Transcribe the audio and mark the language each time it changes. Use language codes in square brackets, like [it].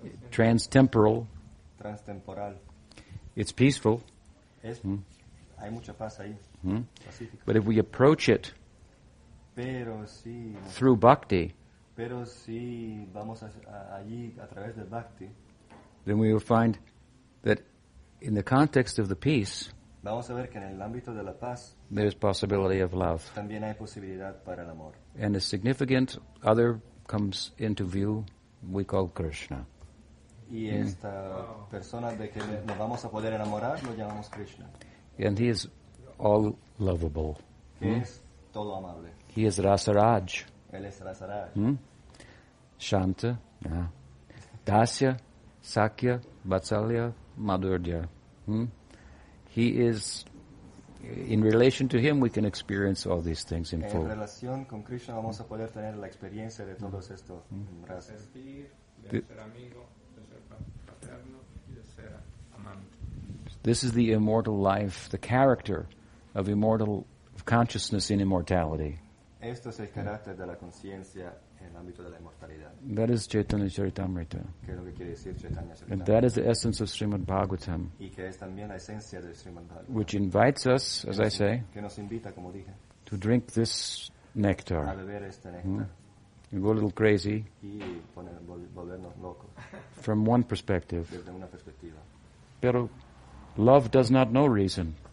[en] trans-temporal, trans-temporal, it's peaceful. [es] Es, mm. Hay mucha paz ahí, mm. Pacífico. [en] But if we approach it [es] pero si, [en] through bhakti, [es] pero si vamos allí a través del bhakti, [en] then we will find that in the context of the peace, [es] vamos a ver que en el ámbito de la paz, [en] there is possibility of love. [es] También hay posibilidad para el amor. [en] And a significant other comes into view, we call Krishna. [es] Y esta persona de que nos vamos a poder enamorar, lo llamamos Krishna. [en] And he is all lovable. [es] Que es todo amable. [en] He is Rasaraj. [es] Él es Rasaraj. [en] Hmm? Shanta, yeah. Dasya, Sakya, Vatsalya, Madhurya. Hmm? He is, in relation to him, we can experience all these things in full. [es] En relación con Krishna vamos a poder tener la experiencia de todos estos. Mm-hmm. De sentir, de the, ser amigo, de ser paterno y de ser amante. [en] This is the immortal life, the character of immortal of consciousness in immortality. [es] Esto es el carácter de la conciencia en el ámbito de la inmortalidad. [en] That is Chaitanya Charitamrita. [es] ¿Qué es lo que quiere decir Chaitanya Charitamrita? [en] And that is the essence of Srimad Bhagavatam. [es] Y que es también la esencia de Srimad Bhagavatam. [en] Which invites us, as [es] nos, [en] I say, [es] que nos invita, como dije, [en] to drink this nectar. [es] A beber este nectar. [en] Hmm? Go a little crazy. [es] Y poner, volvernos locos. [en] From one perspective. [es] Desde una perspectiva. [en] Pero love does not know reason.